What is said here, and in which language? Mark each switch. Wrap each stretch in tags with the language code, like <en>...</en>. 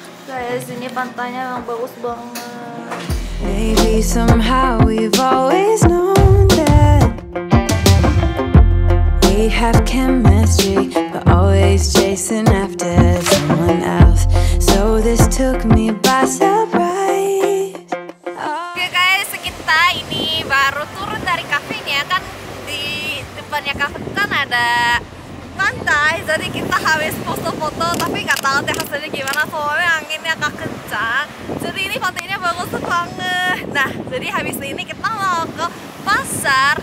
<id>Guys, ini pantainya memang bagus banget.</id> <en>Maybe somehow we've always known that we have chemistry, but always chasing after someone else. So this took me by surprise.</en> <id>Oke guys, kita ini baru turun dari kafenya kan. Banyak kan ada pantai, jadi kita habis foto-foto tapi gak tahu deh hasilnya gimana, soalnya anginnya agak kencang. Jadi ini pantainya bagus banget. Nah, jadi habis ini kita mau ke pasar.</id>